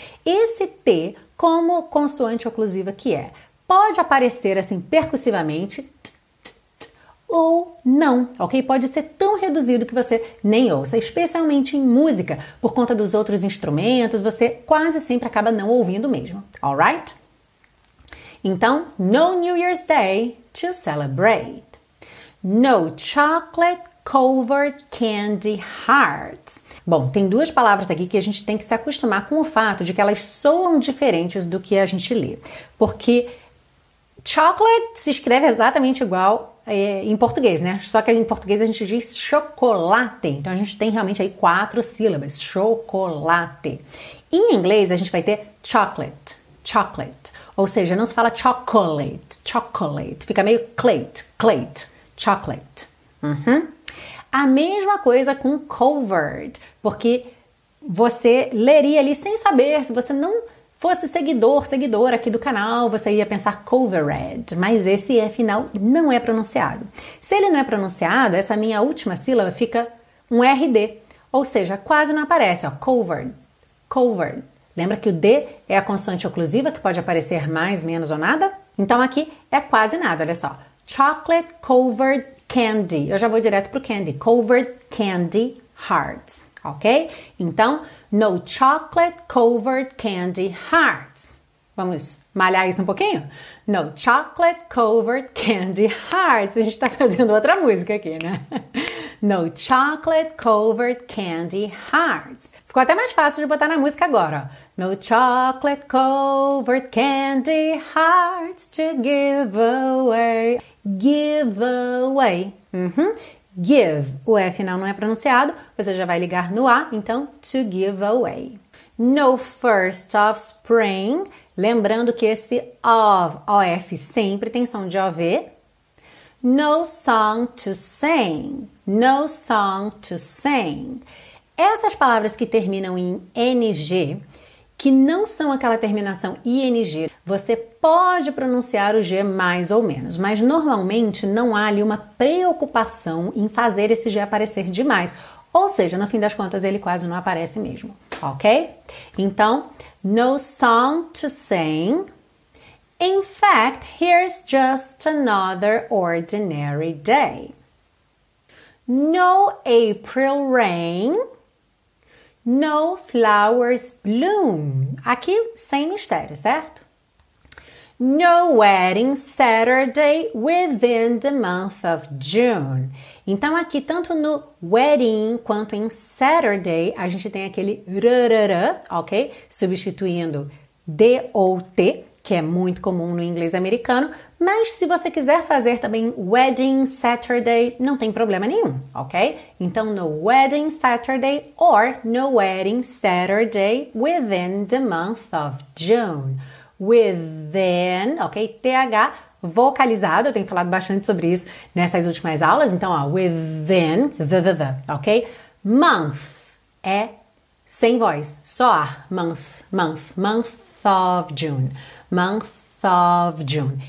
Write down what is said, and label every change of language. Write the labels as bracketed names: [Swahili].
[Portuguese] Esse T, como consoante oclusiva que é, pode aparecer assim percussivamente ou não, ok? Pode ser tão reduzido que você nem ouça, especialmente em música, por conta dos outros instrumentos, você quase sempre acaba não ouvindo mesmo, alright? [English] Então, no New Year's Day to celebrate. No chocolate covered candy hearts. [Portuguese] Bom, tem duas palavras aqui que a gente tem que se acostumar com o fato de que elas soam diferentes do que a gente lê, porque chocolate se escreve exatamente igual em português, né? Só que em português a gente diz chocolate. Então a gente tem realmente aí quatro sílabas. Chocolate. Em inglês a gente vai ter chocolate. Chocolate. Ou seja, não se fala chocolate. Chocolate. Fica meio clate. Clate. Chocolate. A mesma coisa com covert. Porque você leria ali sem saber, se você não fosse seguidor, seguidora aqui do canal, você ia pensar covered, mas esse E final não é pronunciado. Se ele não é pronunciado, essa minha última sílaba fica um RD, Ou seja, quase não aparece, ó, covered, covered. Lembra que o D é a consoante oclusiva que pode aparecer mais, menos ou nada? Então aqui é quase nada, olha só. [English] Chocolate covered candy. [Portuguese] Eu já vou direto pro candy. [English] Covered candy hearts, ok? Então, no chocolate covered candy hearts. [Portuguese] Vamos malhar isso um pouquinho? [English] No chocolate covered candy hearts. [Portuguese] A gente tá fazendo outra música aqui, né? [English] No chocolate covered candy hearts. [Portuguese] Ficou até mais fácil de botar na música agora. [English] No chocolate covered candy hearts to give away. Give away. Uhum. Give. [Portuguese] O F final não é pronunciado. Você já vai ligar no A. Então, [English] to give away. No first of spring. [Portuguese] Lembrando que esse of, O-F, sempre tem som de O-V. [English] No song to sing. No song to sing. [Portuguese] Essas palavras que terminam em NG, que não são aquela terminação ING, você pode pronunciar o G mais ou menos, mas normalmente não há ali uma preocupação em fazer esse G aparecer demais. Ou seja, no fim das contas, ele quase não aparece mesmo, ok? [English] Então, no song to sing. In fact, here's just another ordinary day. No April rain. No flowers bloom. [Portuguese] Aqui, sem mistério, certo? [English] No wedding Saturday within the month of June. [Portuguese] Então, aqui, tanto no wedding quanto em Saturday, a gente tem aquele rrrrrr, ok? Substituindo D ou T, que é muito comum no inglês americano. Mas se você quiser fazer também wedding Saturday, não tem problema nenhum, ok? [English] Então, no wedding Saturday or no wedding Saturday within the month of June. Within, ok? [Portuguese] TH vocalizado, eu tenho falado bastante sobre isso nessas últimas aulas. Então, ó, within, the, ok? Month é sem voz, só ar. [English] Month of June. Month of June.